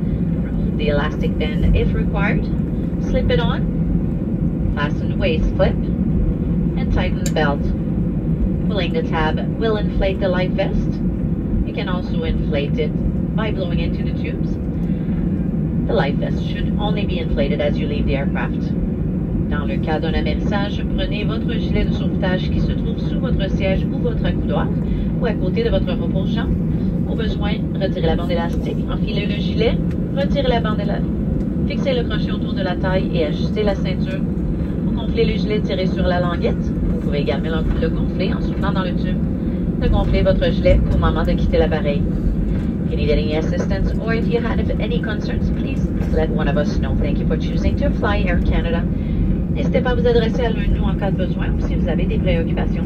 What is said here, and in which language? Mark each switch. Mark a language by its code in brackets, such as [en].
[en] Remove the elastic band if required. Slip it on, fasten the waist clip, and tighten the belt. Pulling the tab will inflate the life vest. You can also inflate it by blowing into the tubes. The life vest should only be inflated as you leave the aircraft. [fr] Dans le cas d'un amerrissage, prenez votre gilet de sauvetage qui se trouve sous votre siège ou votre accoudoir ou à côté de votre repose-jambe. Au besoin, retirez la bande élastique, enfilez le gilet, retirez la bande élastique, fixez le crochet autour de la taille et ajustez la ceinture. Pour gonfler le gilet, tirez sur la languette. Vous pouvez également le gonfler en soufflant dans le tube. De gonfler votre gilet au moment de quitter l'appareil. [en] If you need any assistance or if you have any concerns, please let one of us know. Thank you for choosing to fly Air Canada. [fr] N'hésitez pas à vous adresser à l'un de nous en cas de besoin ou si vous avez des préoccupations.